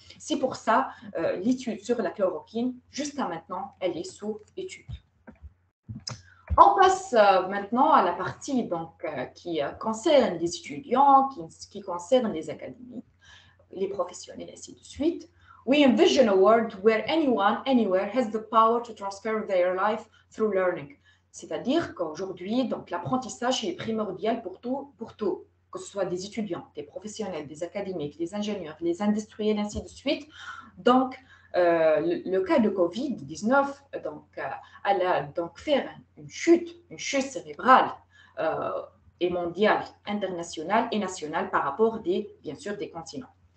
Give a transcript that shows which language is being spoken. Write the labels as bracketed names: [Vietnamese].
[French] C'est pour ça l'étude sur la chloroquine, jusqu'à maintenant, elle est sous étude. On passe maintenant à la partie donc, qui concerne les étudiants, qui concerne les académies, les professionnels, ainsi de suite. [English] We envision a world where anyone, anywhere has the power to transfer their life through learning. [French] C'est-à-dire qu'aujourd'hui, donc, l'apprentissage est primordial pour tout. Que ce soit des étudiants, des professionnels, des académiques, des ingénieurs, des industriels, ainsi de suite. Donc, le cas de COVID-19, donc, elle a donc fait une chute cérébrale et mondiale, internationale et nationale par rapport des continents.